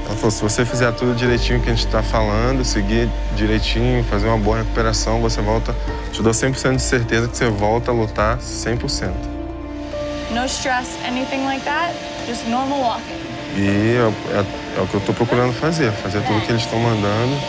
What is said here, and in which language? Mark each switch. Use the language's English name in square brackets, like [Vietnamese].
[Portuguese] Se você fizer tudo direitinho que a gente está falando, seguir direitinho, fazer uma boa recuperação, você volta. Te dou 100% de certeza que você volta a lutar 100%. [English] No stress, anything like that, just normal walking. [Portuguese] E é o que eu estou procurando fazer, fazer tudo que eles estão mandando.